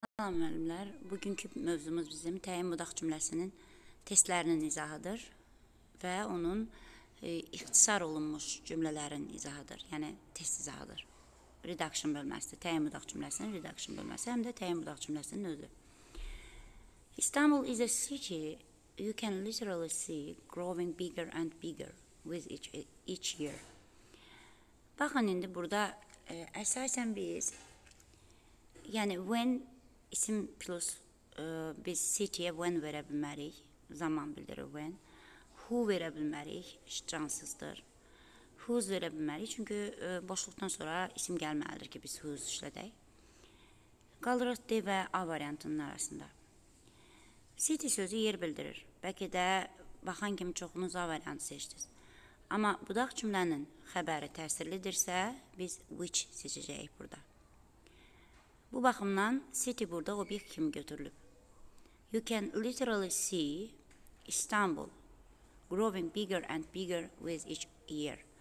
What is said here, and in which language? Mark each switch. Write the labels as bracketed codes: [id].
[az] Salam müəllimlər, bugünkü mövzumuz bizim təyin budaq cümləsinin testlərinin izahıdır və onun ixtisar olunmuş cümlələrin izahıdır, yəni test izahıdır. Redaction bölməsidir, təyin budaq cümləsinin redaction bölməsi, həm də təyin budaq cümləsinin özü. [en] İstanbul is a city you can literally see growing bigger and bigger with each year. [az] Baxın, indi burada əsasən biz, yəni when İsim plus biz city-yə when verə bilmərik, zaman bildirir when. Who verə bilmərik, cansızdır. Who's verə bilmərik, çünki boşluqdan sonra isim gəlməlidir ki, biz who's işlədək. Qalırıq D və A variantının arasında. City sözü yer bildirir. Bəlkə də baxan kimi çoxunuz A variantı seçdiniz. Amma budaq cümlənin xəbəri təsirlidirsə, biz which seçəcəyik burada. Bu baxımdan city burada obyekt kimi götürülüb. [en] You can literally see Istanbul growing bigger and bigger with each year.